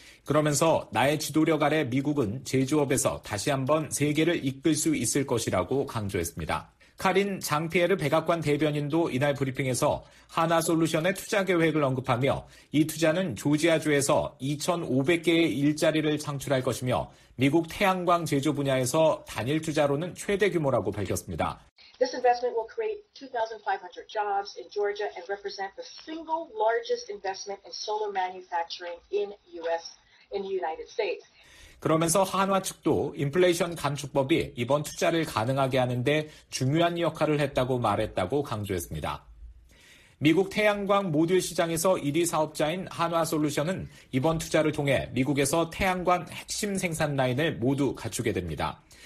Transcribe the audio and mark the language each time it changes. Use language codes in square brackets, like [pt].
[ko] 그러면서 나의 지도력 아래 미국은 제조업에서 다시 한번 세계를 이끌 수 있을 것이라고 강조했습니다. 카린 장피에르 백악관 대변인도 이날 브리핑에서 하나솔루션의 투자 계획을 언급하며 이 투자는 조지아주에서 2,500개의 일자리를 창출할 것이며 미국 태양광 제조 분야에서 단일 투자로는 최대 규모라고 밝혔습니다. [en] This investment will create 2,500 jobs in Georgia and represent the single largest investment in solar manufacturing in U.S. in the United States. [ko] 그러면서 한화 측도 인플레이션 감축법이 이번 투자를 가능하게 하는 데 중요한 역할을 했다고 말했다고 강조했습니다. 미국 태양광 모듈 시장에서 1위 사업자인 한화솔루션은 이번 투자를 통해 미국에서 태양광 핵심 생산 라인을 모두 갖추게 됩니다.